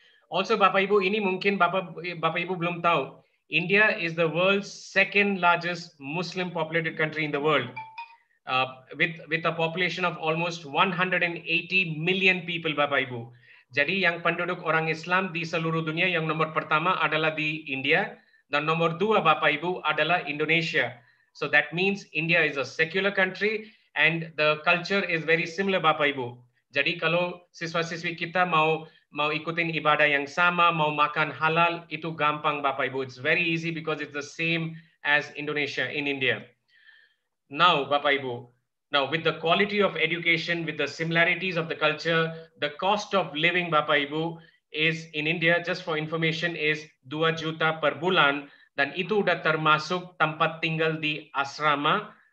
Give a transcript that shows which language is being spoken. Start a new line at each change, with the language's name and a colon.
Indonesian: Also Bapak Ibu, ini mungkin Bapak Ibu belum tahu.
English: India is the world's second largest Muslim populated country in the world. With a population of almost 180 million people, Bapak Ibu.
Indonesian: Jadi yang penduduk orang Islam di seluruh dunia yang nomor pertama adalah di India. Dan nomor dua, Bapak Ibu, adalah Indonesia.
English: So that means India is a secular country and the culture is very similar, Bapak Ibu.
Indonesian: Jadi kalau siswa-siswi kita mau ikutin ibadah yang sama, mau makan halal, itu gampang, Bapak Ibu.
English: It's very easy because it's the same as Indonesia in India. Now, Bapak Ibu, now with the quality of education, with the similarities of the culture, the cost of living, Bapak Ibu, is in India, just for information, is 2
Indonesian: juta per bulan. Dan itu udah termasuk tempat tinggal di asrama.